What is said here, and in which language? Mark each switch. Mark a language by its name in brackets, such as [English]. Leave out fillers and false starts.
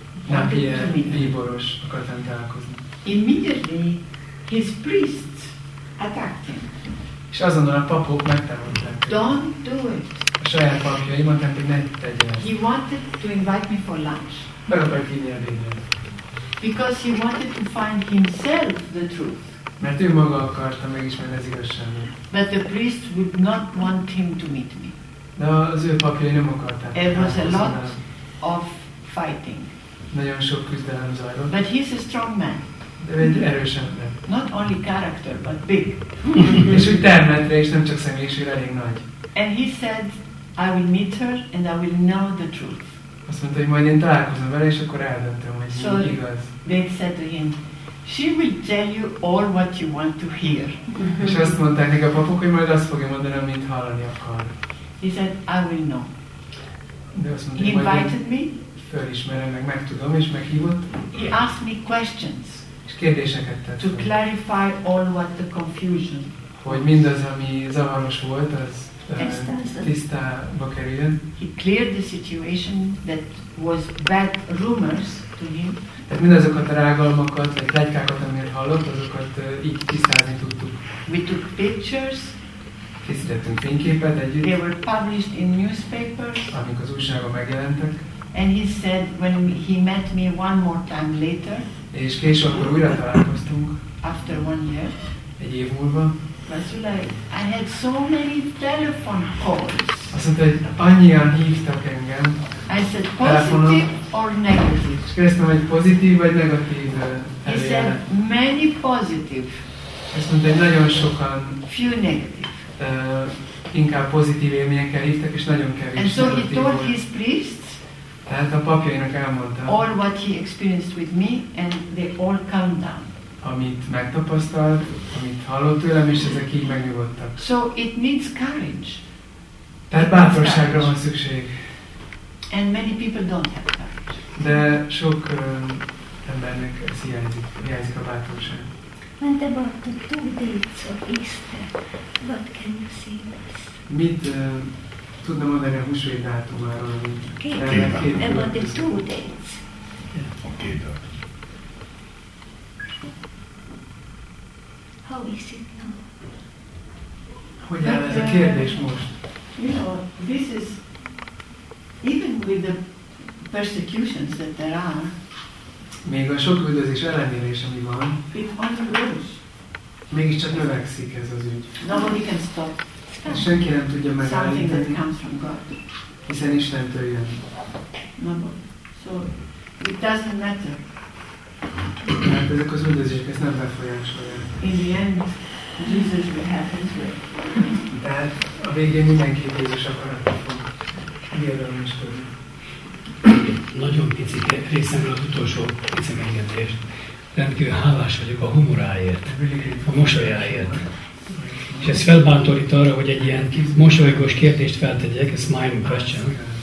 [Hungarian] Napier bíboros akart velem találkozni. [English] Immediately his priests attacked him. [Hungarian] És azonnal a papok megtámadták. [English] Don't do it. [Hungarian] A saját papjai mondták, hogy ne tegye. [English] He wanted to invite me for lunch. [Hungarian] Meg akart hívni a bíbor. [English] Because he wanted to find himself the truth. [Hungarian] Mert ő maga akarta megismerni az igazságot. [English] But the priest would not want him to meet me. [Hungarian] De az ő papjai nem akarták. [English] There was a lot of fighting. [Hungarian] Nagyon sok küzdelem zajlott. [English] But he's a strong man. [Hungarian] De egy erős ember. [English] Not only character, but big. [Hungarian] És úgy termetre, és nem csak személyiség, elég nagy. [English] And he said, I will meet her and I will know the truth. [Hungarian] Azt mondta, hogy majd én találkozom vele, és akkor eldöntöm, hogy [English] so [Hungarian] mi igaz. [English] They said to him, she will tell you all what you want to hear. [Hungarian] És azt mondták neki a papok, hogy majd azt fogja mondani, amit hallani akar. [English] He said, I will know. [Hungarian] De azt mondta, [English] he invited me. [Hungarian] Fölismerem, meg megtudom, és meghívott. [English] He asked me questions. [Hungarian] És kérdéseket tett. [English] To clarify all what the confusion. [Hungarian] Hogy mindaz, ami zavaros volt, az tisztába kerüljön. [English] He cleared the situation that was bad rumors to him. [Hungarian] Tehát mindazokat a rágalmakat, vagy legykákat, amiért hallott, azokat így tisztázni tudtuk. [English] We took pictures. [Hungarian] Készítettünk fényképet együtt. [English] They were published in newspapers. [Hungarian] Amik az újságban megjelentek. [English] And he said when he met me one more time later. [Hungarian] És később akkor újra találkoztunk. [English] After one year. [Hungarian] Egy év múlva. [English] Vasula, I had so many telephone calls. [Hungarian] Azt mondta, hogy annyian hívtak engem. [English] I said positive or negative. [Hungarian] És kérdeztem, hogy pozitív vagy negatív eljárat. [English] He said many positive. [Hungarian] Azt mondta, hogy nagyon sokan. [English] Few negative. [Hungarian] Inkább pozitív élményekkel hívtak, és nagyon kevés. [English] And so he told his priest. [Hungarian] Tehát a papjainak elmondta. [English] All what he experienced with me, and they all calmed down. [Hungarian] Amit megtapasztalt, amit hallott tőlem, és ezek így megnyugodtak. [English] So it needs courage. [Hungarian] Tehát bátorságra van szükség. [English] And many people don't have courage. [Hungarian] De sok embernek ez hiányzik a bátorság. [English] When there were the two dates of Easter, what can you say this? [Hungarian] Mit tudna mondani a húsvét dátumáról, amit... Két, [English] about the two dates. Yeah. either. How is it now? [Hungarian] Hogy áll ez a kérdés most? [English] You know, this is, even with the persecutions that there are, [Hungarian] még a sok üldözés ellenére is, ami van, [English] it only grows. [Hungarian] Mégis csak növekszik ez az ügy. [English] Nobody can stop. [Hungarian] Senki nem tudja megállítani. [English] Something that comes from God. [Hungarian] Hiszen Istentől jön. [English] Nobody. So, it doesn't matter. [Hungarian] Hát ezek az üldözések, ezt nem befolyásolják. [English] In the end, Jesus will have his way. [Hungarian] Tehát a végén mindenképp Jézus akaratot fog érvényesülni. Nagyon pici részemre az utolsó pici megjegyzést. Rendkívül hálás vagyok a humoráért, a mosolyáért. És ez felbántorít arra, hogy egy ilyen mosolygós kérdést feltegyek, [English] a smiling question.